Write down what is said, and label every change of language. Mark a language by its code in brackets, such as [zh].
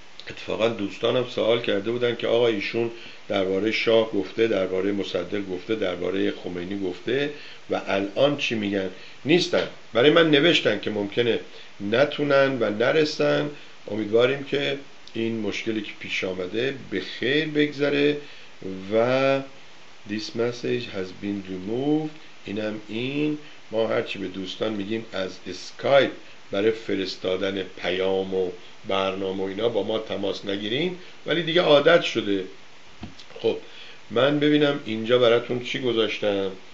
[fa] اتفاقا دوستانم سوال کرده بودن که آقا ایشون درباره شاه گفته، درباره مصدق گفته، درباره خمینی گفته و الان چی میگن. نیستن، برای من نوشتن که ممکنه نتونن و نرسن. امیدواریم که این مشکلی که پیش آمده به خیر بگذره. [en] و this message has been removed، [fa] اینم این. ما هرچی به دوستان میگیم از اسکایپ برای فرستادن پیام و برنامه و اینا با ما تماس نگیرین، ولی دیگه عادت شده. خب من ببینم اینجا براتون چی گذاشتم.